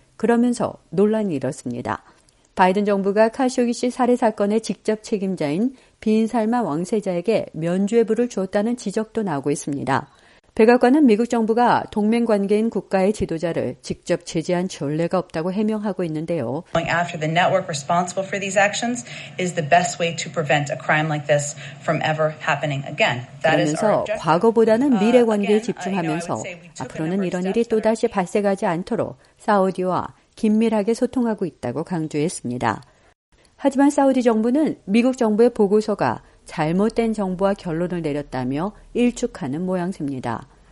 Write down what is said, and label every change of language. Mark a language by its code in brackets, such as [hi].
[ko] 그러면서 논란이 일었습니다. 바이든 정부가 카쇼기 씨 살해 사건의 직접 책임자인 빈살마 왕세자에게 면죄부를 주었다는 지적도 나오고 있습니다. 백악관은 미국 정부가 동맹관계인 국가의 지도자를 직접 제재한 전례가 없다고 해명하고 있는데요. [en] Going after the network responsible for these actions is the best way to prevent a crime like this from ever happening again. [ko] 그러면서 과거보다는 미래 관계에 집중하면서 앞으로는 이런 일이 또다시 발생하지 않도록 사우디와 긴밀하게 소통하고 있다고 강조했습니다. 하지만 사우디 정부는 미국 정부의 보고서가 잘못된 정보와 결론을 내렸다며 일축하는 모양새입니다.